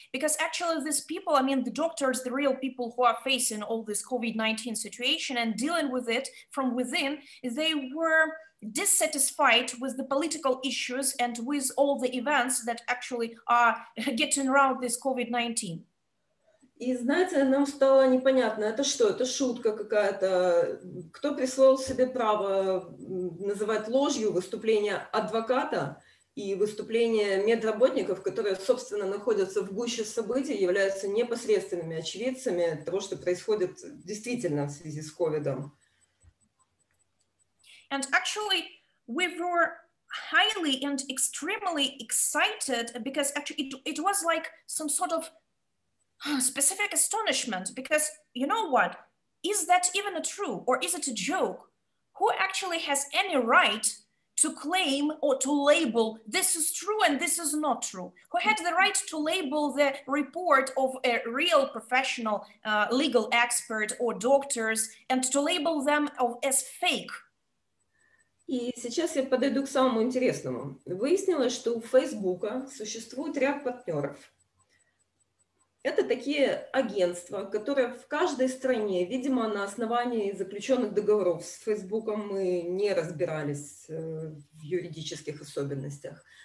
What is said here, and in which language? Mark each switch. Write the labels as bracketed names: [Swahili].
[English] Because actually these people, I mean, the doctors, the real people who are facing all this COVID-19 situation and dealing with it from within, they were dissatisfied with the political issues and with all the events that actually are getting around this COVID-19. [Russian] И знаете, нам стало непонятно, это что, это шутка какая-то? Кто присвоил себе право называть ложью выступление адвоката и выступление медработников, которые, собственно, находятся в гуще событий, являются непосредственными очевидцами того, что происходит действительно в связи с ковидом? [English] And actually, we were highly and extremely excited because actually it was like some sort of specific astonishment because, you know what, is that even a true or is it a joke? Who actually has any right to claim or to label this is true and this is not true? Who had the right to label the report of a real professional legal expert or doctors and to label them as fake? [Russian] И сейчас я подойду к самому интересному. Выяснилось, что у Фейсбука существует ряд партнеров. Это такие агентства, которые в каждой стране, видимо, на основании заключенных договоров с Фейсбуком мы не разбирались в юридических особенностях.